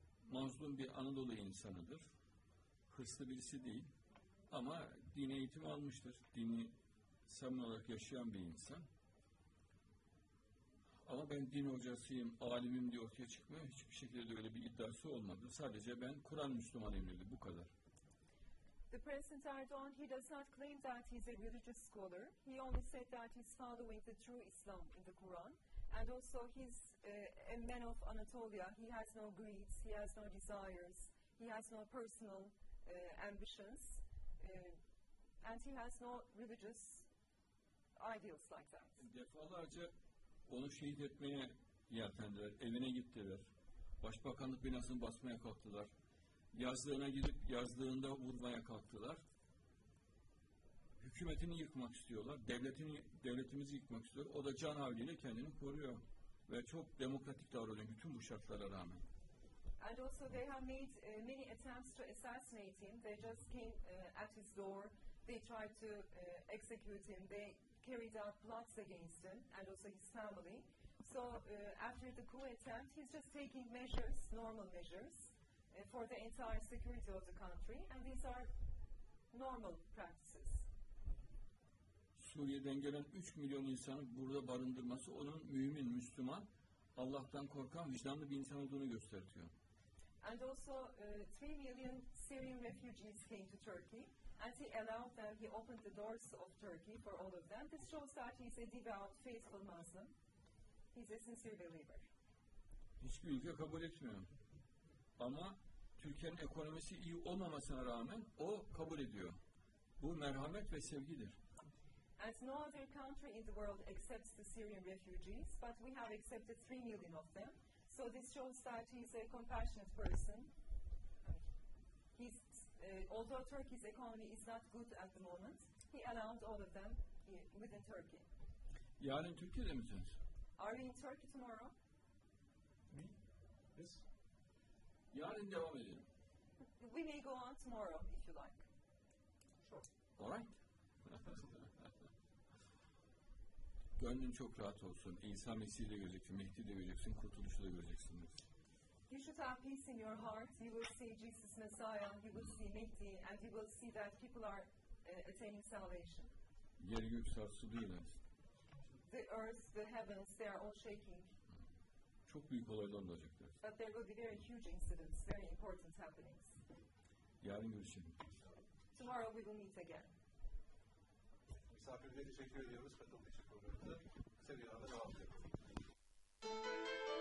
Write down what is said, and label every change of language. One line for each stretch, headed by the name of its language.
Turkish: Mazlum bir Anadolu insanıdır. Hırslı birisi değil. Ama din eğitimi almıştır. Dini samimi olarak yaşayan bir insan. Ama ben din hocasıyım, alimim diye ortaya çıkmıyor. Hiçbir şekilde öyle bir iddiası olmadı. Sadece ben Kur'an Müslümanıyım dedi. Bu kadar.
English: The President Erdogan, he does not claim that he's a religious scholar. He only said that he's following the true Islam in the Quran. And also he's a man of Anatolia. He has no greeds, he has no desires, he has no personal ambitions. And he has no religious ideals like that.
Turkish: Defalarca onu şehit etmeye yeltendiler, evine gittiler, başbakanlık binasını basmaya kalktılar. Yazlığına gidip yazlığında vurmaya kalktılar. Hükümetini yıkmak istiyorlar. Devletimizi yıkmak istiyor. O da can havliyle kendini koruyor. Ve çok demokratik davranıyor bütün bu şartlara rağmen.
English: And also they have made many attempts to assassinate him. They just came at his door. They tried to execute him. They carried out plots against him and also his family. So after the coup attempt, he's just taking measures, normal measures, for the entire security of the country, and these are normal practices.
Turkish: Suriye'den gelen 3 milyon insanı burada barındırması onun mümin, Müslüman, Allah'tan korkan, vicdanlı bir insan olduğunu gösteriyor.
English: And also 3 million Syrian refugees came to Turkey, and he allowed them, he opened the doors of Turkey for all of them. This shows that he's a devout, faithful Muslim. He's a sincere believer.
Turkish: Hiçbir ülke kabul etmiyor. Ama Türkiye'nin ekonomisi iyi olmamasına rağmen o kabul ediyor. Bu merhamet ve sevgidir.
English: As no other country in the world accepts the Syrian refugees, but we have accepted 3 million of them. So this shows that he's a compassionate person. He's although Turkey's economy is not good at the moment, he announced all of them within Turkey.
Turkish: Yarın Türkiye'de misiniz?
English: Are we in Turkey tomorrow? Me? Yes.
Turkish: Yarın devam edelim.
English: We may go on tomorrow if you like. Sure. All right.
Turkish: Gönlün çok rahat olsun. İsa Mesih'i de göreceksin, Mehdi'yi de göreceksin, kurtuluşu da göreceksin.
English: You should have peace in your heart. You will see Jesus Messiah, you will see Mehdi, and you will see that people are attaining salvation.
Turkish: Yeri gök sarsı değil mi?
English: The earth, the heavens, they are all shaking.
Turkish: Çok büyük olaylar olacaklar.
English: But there will be very huge incidents, very important happenings.
Turkish: Yarın görüşelim.
English: Tomorrow we will meet again.
Turkish: Misafirlere teşekkür ediyoruz. Katıldığı için programımıza. Seviyorlar. Devam edelim.